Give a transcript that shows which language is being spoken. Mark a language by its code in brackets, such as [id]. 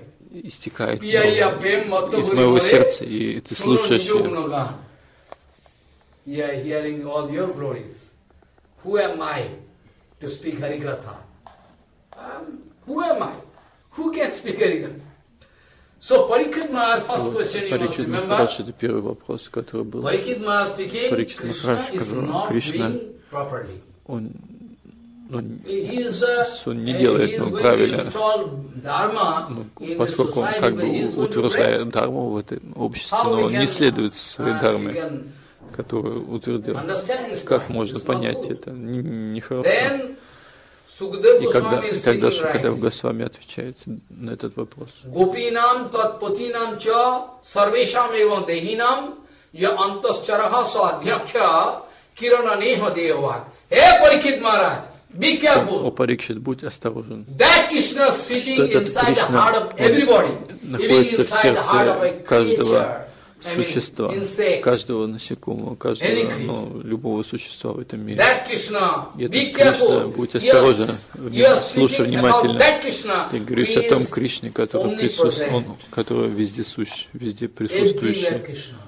[ru] истекает из моего сердца, и ты слушаешь ее. [en] So Parikshit Maharaj, first question you must remember. Parikshit Maharaj, the first question that was. Parikshit Maharaj speaking. Parikshit Maharaj, Krishna is not doing properly. [ru] Он не делает правильно. Поскольку он как бы утверждает дхарму в этом обществе, но он не следует своей дхарме, которую утвердил. Как можно понять это? Нехорошо. И когда Шукадев Госвами отвечает на этот вопрос. [sa] Гопинам, тадпатинам ча, сарвешам ева дехинам, я антасчараха свадьякхя, кирана нехо деевак. [ru] Э, Парикшит Махарадж, [en] be careful. [ru] О, Парикшит, будь осторожен. [en] That Krishna is sitting inside the heart of everybody. [ru] Находится в сердце каждого существа, каждого насекомого, каждого, любого существа в этом мире. [en] That Krishna, be careful. [ru] Будь осторожен, слушай внимательно. Ты говоришь о том Кришне, который вездесущ, везде присутствующий.